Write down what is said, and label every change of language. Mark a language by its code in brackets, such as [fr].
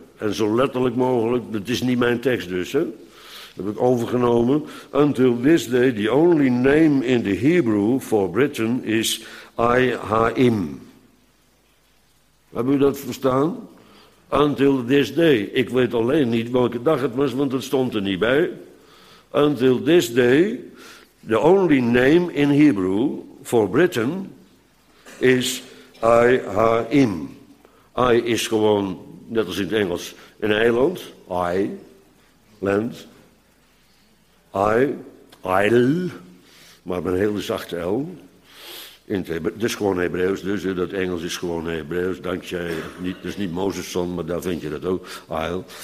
[nl] En zo letterlijk mogelijk, dat is niet mijn tekst dus, hè. Heb ik overgenomen. [en] Until this day, the only name in the Hebrew for Britain is Ahim. [nl] Hebben u dat verstaan? [en] Until this day. [nl] Ik weet alleen niet welke dag het was, want het stond er niet bij. [en] Until this day, the only name in Hebrew for Britain is Ahim. [nl] I is gewoon, net als in het Engels, een eiland. I, land. Isle, maar met een hele zachte L. Het is gewoon Hebreeuws, dus dat Engels is gewoon Hebreeuws. Dankzij, het is niet Mozeszon, maar daar vind je dat ook, Isle.